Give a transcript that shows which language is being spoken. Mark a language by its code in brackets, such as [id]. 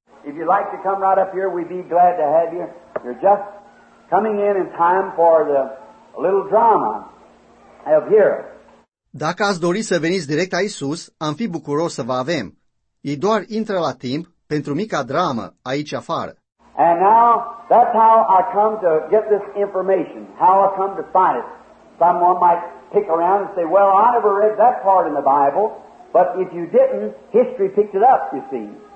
[en] If you'd like to come right up here, we'd be glad to have you. You're just coming in time for the little drama up here. [ro] Dacă ați dori să veniți direct aici sus, am fi bucuros să vă avem. Ei doar intră la timp pentru mica dramă aici afară. [en] And now, that's how I come to get this information, how I come to find it. Someone might pick around and say, well, I never read that part in the Bible, but if you didn't, history picked it up, you see.